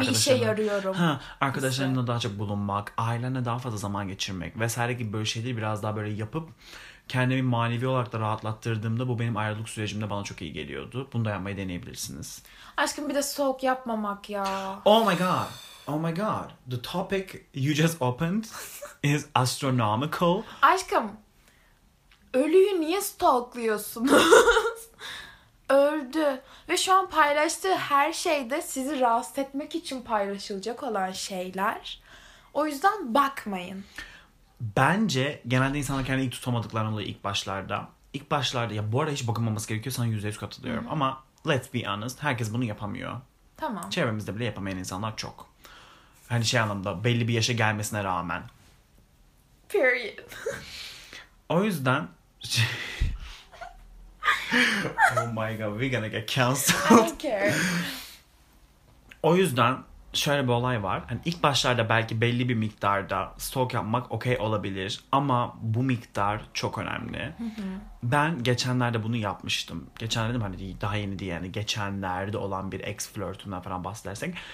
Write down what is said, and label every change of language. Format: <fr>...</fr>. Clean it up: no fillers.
<tr>Bir işe yarıyorum. Arkadaşlarımla daha çok bulunmak, ailenle daha fazla zaman geçirmek vesaire gibi böyle şeyleri biraz daha böyle yapıp kendimi manevi olarak da rahatlattırdığımda bu benim ayrılık sürecimde bana çok iyi geliyordu. Bunu da yapmayı deneyebilirsiniz. Aşkım bir de soğuk yapmamak ya.</tr> <en>Oh my god. Oh my god. The topic you just opened is astronomical.</en> <tr>Aşkım. Ölüyü niye stalkluyorsunuz? Öldü. Ve şu an paylaştığı her şey de sizi rahatsız etmek için paylaşılacak olan şeyler. O yüzden bakmayın. Bence genelde insanlar kendini ilk tutamadıklarını oluyor ilk başlarda. İlk başlarda ya, bu arada hiç bakılmaması gerekiyor, sana %100 katılıyorum. Ama</tr> <en>let's be honest,</en> <tr>herkes bunu yapamıyor. Tamam. Çevremizde bile yapamayan insanlar çok. Hani şey anlamda, belli bir yaşa gelmesine rağmen.</tr> <en>Period.</en> <tr>O yüzden...</tr> <en>Oh my god, we're gonna get canceled. I don't care.</en> <tr>O yüzden şöyle bir olay var. Hani ilk başlarda belki belli bir miktarda stalk yapmak okey olabilir. Ama bu miktar çok önemli. Ben geçenlerde bunu yapmıştım. Geçenlerde dedim, hani daha yeni değil yani. Geçenlerde olan bir ex flörtümden falan bahsedersek.</tr>